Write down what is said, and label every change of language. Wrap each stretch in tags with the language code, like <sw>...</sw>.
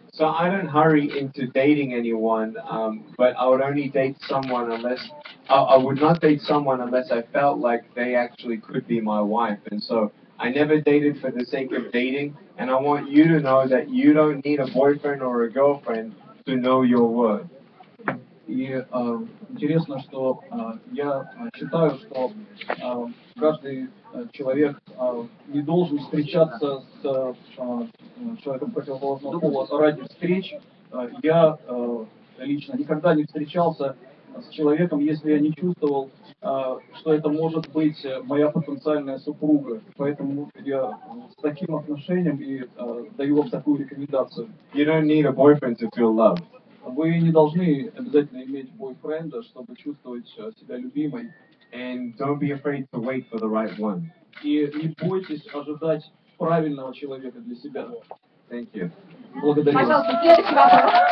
<en>So I don't hurry into dating anyone, but I would only date someone unless I would not date someone unless I felt like they actually could be my wife. And so I never dated for the sake of dating. And I want you to know that you don't need a boyfriend or a girlfriend to know your worth.</en> <ru>Интересно, что я считаю, что каждый человек не должен встречаться с человеком противоположного пола ради встреч. Я лично никогда не встречался с человеком, если я не чувствовал, что это может быть моя потенциальная супруга. Поэтому я с таким отношением и даю вам такую рекомендацию.</ru> <en>You don't need a boyfriend to feel love.</en> <ru>Вы не должны обязательно иметь бойфренда, чтобы чувствовать себя любимой.</ru> <en>And don't be afraid to wait for the right one.</en> <ru>И не бойтесь ожидать правильного человека для себя.</ru> <en>Thank you.</en> <ru>Благодарю вас. Пожалуйста, следующий вопрос.</ru>